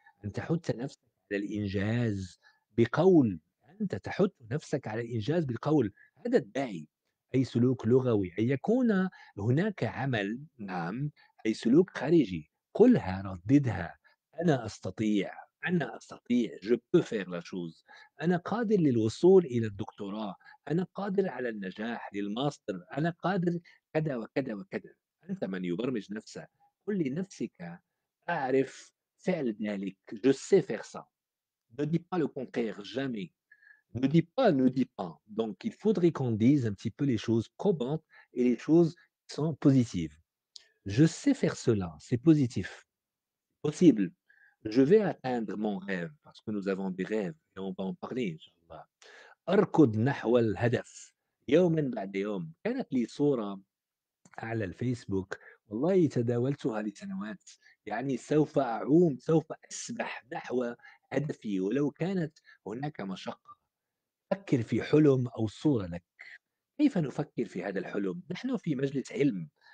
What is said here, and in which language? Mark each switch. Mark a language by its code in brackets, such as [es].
[ar] أن تحث نفسك على الإنجاز بقول، أنت تحث نفسك على الإنجاز بالقول، هذا الداعي، أي سلوك لغوي، أن يكون هناك عمل، نعم، أي سلوك خارجي. قلها، رددها، أنا أستطيع، أنا أستطيع، [fr] je peux faire la chose، [ar] أنا قادر للوصول إلى الدكتوراه، أنا قادر على النجاح للماستر، أنا قادر كذا وكذا وكذا. أنت من يبرمج نفسه، قل لنفسك أعرف فعل ذلك، [fr] je sais faire ça، ne dis pas le contraire jamais، Ne dis pas, ne dis pas. Donc, il faudrait qu'on dise un petit peu les choses probantes et les choses qui sont positives. Je sais faire cela, c'est positif. Possible. Je vais atteindre mon rêve parce que nous avons des rêves et on va en parler, inshallah. [ar] أركض نحو الهدف يوما بعد يوم. كانت لي صورة على الفيسبوك، والله تداولتها لسنوات، يعني سوف أعوم، سوف أسبح نحو هدفي ولو كانت هناك مشقة. فكر في حلم أو صورة لك. كيف نفكر في هذا الحلم؟ نحن في مجلس علم.